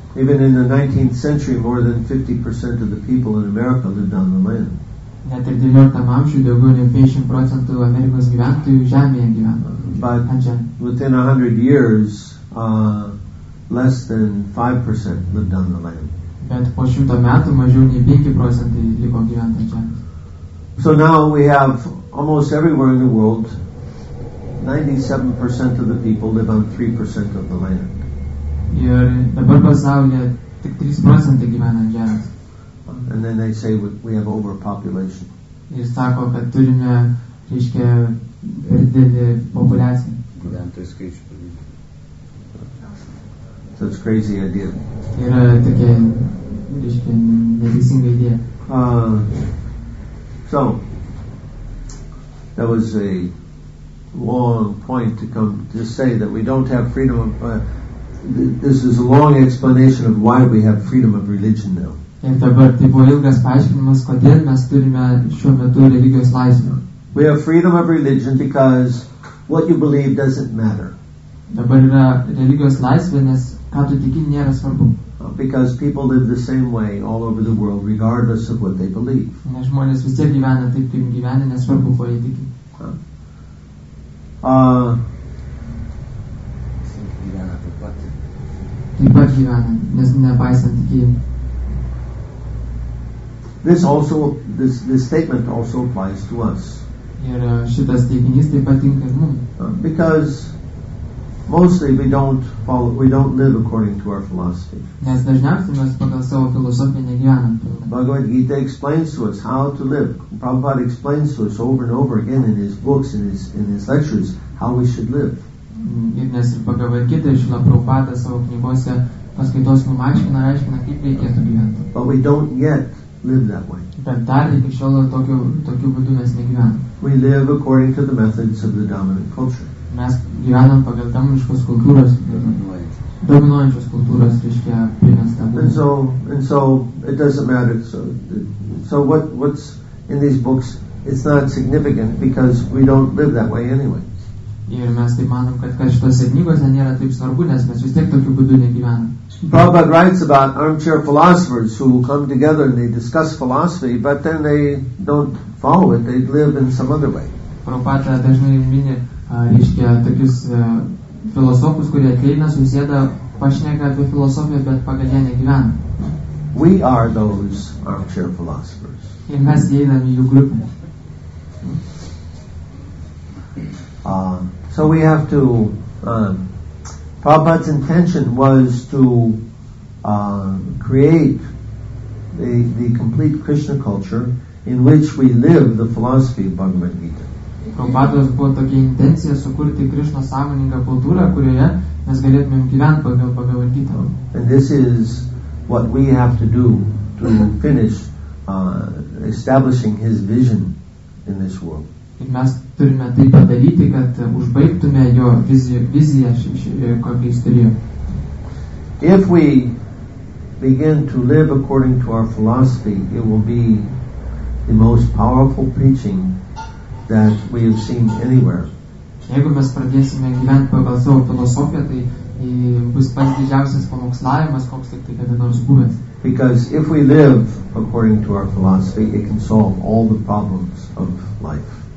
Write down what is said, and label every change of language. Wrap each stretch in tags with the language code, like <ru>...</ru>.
<en>Even in the 19th century, more than 50% of the people in America lived on the land.</en> <lt>Net ir 19 amžiui daugiau nei 50% Amerikos gyventojų žemėje gyveno.</lt> <en>But within 100 years, less than 5% lived on the land.</en> <lt>Bet po 100 metų mažiau nei 5% liko gyventi ant žemės.</lt> <en>So now we have almost everywhere in the world, 97% of the people live on 3% of the land.</en> <lt>Ir dabar pasaulyje tik 3% gyvena ant žemės.</lt> <en>And then they say we have overpopulation.</en> <lt>Ir sako, kad turime, reiškia, per didelį populiaciją. Gyventojų skaičių.</lt> <en>So it's crazy idea.</en> <lt>Yra tokia, reiškia, neteisinga idėja.</lt> <en>So, that was a long point to come to say that we don't have freedom of... This is a long explanation of why we have freedom of religion now.</en> <lt>Ir dabar tai buvo ilgas paaiškinimas, kodėl mes turime šiuo metu religijos laisvę.</lt> <en>We have freedom of religion because what you believe doesn't matter.</en> <lt>Dabar yra religijos laisvė, nes ką tu tiki nėra svarbu.</lt> <en>Because people live the same way all over the world, regardless of what they believe.</en> <lt>Nes žmonės vis tiek gyvena taip, kaip gyvena, nesvarbu, ko jie tiki. Taip pat gyvena, nes nepaisant tikėjimo.</lt> <en>This statement also applies to us.</en> <lt>Ir šitas teiginys taip pat tinka ir mums.</lt> <en>Because mostly we don't live according to our philosophy.</en> <lt>Nes dažniausiai mes pagal savo filosofiją negyvenam.</lt> <en>Bhagavad Gita explains to us how to live. Prabhupada explains to us over and over again in his books, in his lectures, how we should live.</en> <lt>Ir nes ir pagavai kitą išlą Prabhupada savo knygose paskaitos mum aiškina, kaip reikėtų gyventi.</lt> <en>But we don't yet live that way.</en> <lt>Bet dar iki šiol tokiu būdu mes negyvenam.</lt> <en>We live according to the methods of the dominant culture.</en> <lt>Mes gyvenam pagal dominančios kultūros. Dominuojančios kultūros, reiškia, primesta.</lt> <en>And so it doesn't matter. So what's in these books, it's not significant because we don't live that way anyway.</en> <lt>Ir mes taip manom, kad šitose knygose nėra taip svarbu, nes mes vis tiek tokiu būdu negyvenam.</lt> <en>Prabhupada writes about armchair philosophers who come together and they discuss philosophy, but then they don't follow it, they live in some other way.</en> <lt>Prabhupada dažnai mini, reiškia, tokius filosofus, kurie ateina, susėda, pašneka apie filosofiją, bet pagal ją negyvena.</lt> <en>We are those armchair philosophers.</en> <lt>Ir mes įeinam į jų grupę.</lt> <en>So we have to... Prabhupada's intention was to create the complete Krishna culture in which we live the philosophy of Bhagavad Gita.</en> <lt>Prabhupada's buvo tokia intencija sukurti Krishna sąmoningą kultūrą, kurioje mes galėtumėm gyventi pagal Bhagavad Gita.</lt> <en>And this is what we have to do to finish establishing his vision in this world.</en> <lt>Ir mes turime tai padaryti, kad užbaigtume jo viziją kokią jis turėjo.</lt> <en>If we begin to live according to our philosophy, it will be the most powerful preaching that we have seen anywhere.</en> <lt>Jeigu mes pradėsime gyventi pagal savo filosofiją, tai bus pats didžiausias pamokslavimas, koks tik kada nors buvęs.</lt> <en>Because if we live according to our philosophy, it can solve all the problems of life.</en>